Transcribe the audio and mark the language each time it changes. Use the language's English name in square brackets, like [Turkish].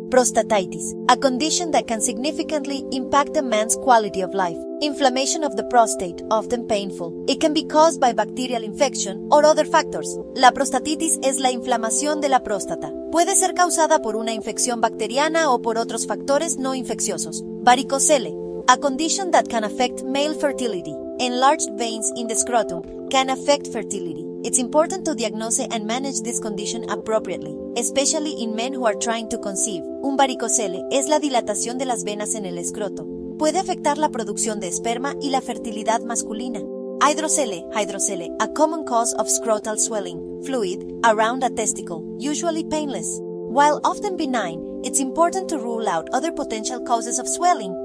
[English] Prostatitis, a condition that can significantly impact a man's quality of life. Inflammation of the prostate, often painful. It can be caused by bacterial infection or other factors. [Spanish] La prostatitis es la inflamación de la próstata. Puede ser causada por una infección bacteriana o por otros factores no infecciosos. [English] Varicocele, a condition that can affect male fertility. Enlarged veins in the scrotum can affect fertility. It's important to diagnose and manage this condition appropriately, especially in men who are trying to conceive. [Spanish] Un varicocele es la dilatación de las venas en el escroto. Puede afectar la producción de esperma y la fertilidad masculina. [English] Hydrocele, hydrocele, a common cause of scrotal swelling, fluid around a testicle, usually painless. While often benign, it's important to rule out other potential causes of swelling.